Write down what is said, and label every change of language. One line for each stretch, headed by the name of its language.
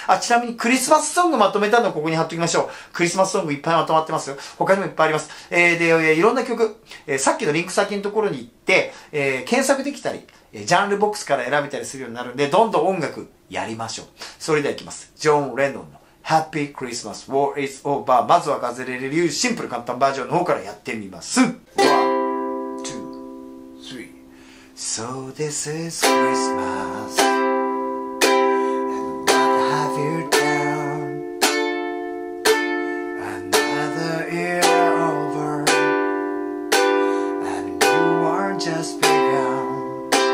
Japanese: あ、ちなみにクリスマスソングまとめたのここに貼っておきましょう。クリスマスソングいっぱいまとまってますよ。他にもいっぱいあります。で、いろんな曲、さっきのリンク先のところに行って、検索できたり、ジャンルボックスから選べたりするようになるんで、どんどん音楽やりましょう。それではいきます。ジョン・レノンの。
English: Happy Christmas, War is over.
Japanese: まずはガズレレ流シンプル簡単バージョンの方からやってみます。
English: 1, 2, 3. So this is Christmas, and what have you done? Another year over, and you are just begun.